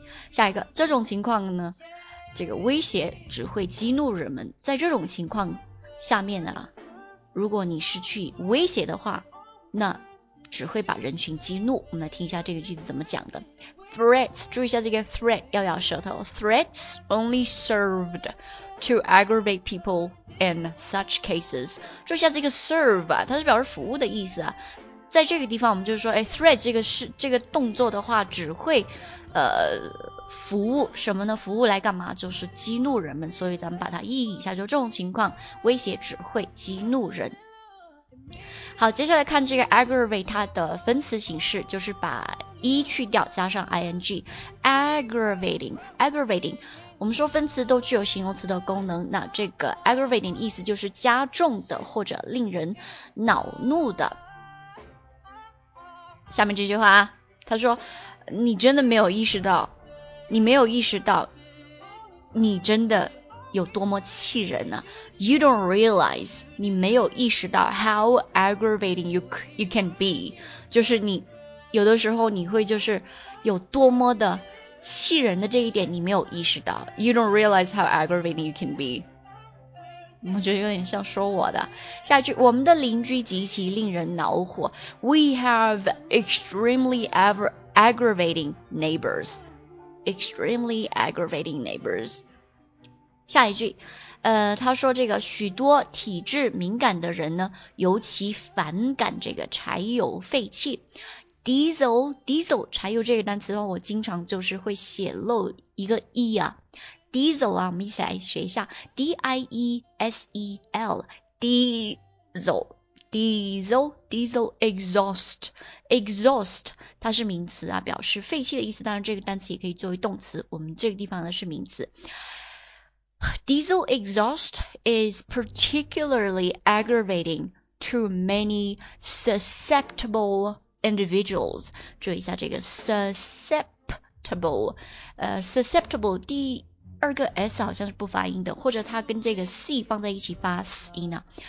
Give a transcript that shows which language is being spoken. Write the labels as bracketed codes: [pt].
[zh] 下一个，这种情况呢，这个威胁只会激怒人们。在这种情况下面呢，如果你是去威胁的话，那只会把人群激怒。我们来听一下这个句子怎么讲的。Threats， 注意一下这个 threat， 要咬舌头。 [en] Threats only served to aggravate people in such cases。 [zh] 注意一下这个 serve 啊，它是表示服务的意思啊。在这个地方我们就是说，哎， threat 这个动作的话只会服务什么呢？服务来干嘛？就是激怒人们。所以咱们把它意义一下，就这种情况威胁只会激怒人。好，接下来看这个 aggravate， 它的分词形式就是把 e 去掉加上 ing， aggravating， 我们说分词都具有形容词的功能，那这个 aggravating 意思就是加重的或者令人恼怒的。下面这句话啊，他说你真的没有意识到，你没有意识到你真的有多么气人呢、啊、？ [en] You don't realize， [zh] 你没有意识到 [en] how aggravating you can be， [zh] 就是你有的时候你会就是有多么的气人的这一点你没有意识到。 [en] You don't realize how aggravating you can be。 [zh] 我觉得有点像说我的。下一句，我们的邻居极其令人恼火。 [en] We have extremely aggravating neighbors。 Extremely aggravating neighbors。 [zh] 下一句，他说这个许多体质敏感的人呢，尤其反感这个柴油废气。 Diesel， 柴油这个单词的话，我经常就是会写漏一个 e 啊。 Diesel 啊，我们一起来学一下 ，diesel，exhaust， 它是名词啊，表示废气的意思。当然，这个单词也可以作为动词，我们这个地方呢是名词。 [en] Diesel exhaust is particularly aggravating to many susceptible individuals. [zh] 注意一下这个 susceptible， susceptible 第二个 s 好像是不发音的，或者它跟这个 c 放在一起发音呢。